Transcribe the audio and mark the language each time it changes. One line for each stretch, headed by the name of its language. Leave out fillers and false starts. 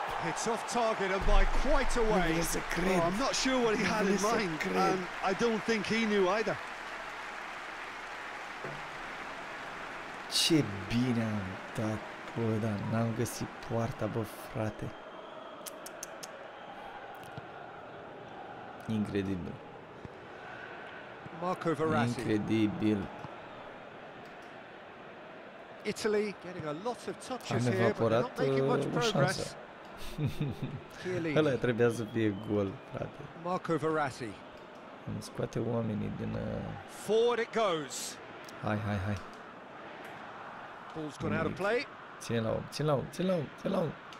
English: It's off target and by quite a way. Well, I'm not sure what he had in mind. And I don't think he knew either.
Romanian: Ce bine am dat, bă, dar n-am găsit poarta, bă, frate. Incredibil. Marco Verratti. Incredibil.
English: Italy getting a lot of touches here, but not making much progress.
Romanian: Ăla trebuia să fie gol, frate. Marco Verratti. Îmi scoate oamenii din...
English: Forward it goes.
Romanian: Hai.
English: Ball's gone out of play.
Romanian: Ține la om.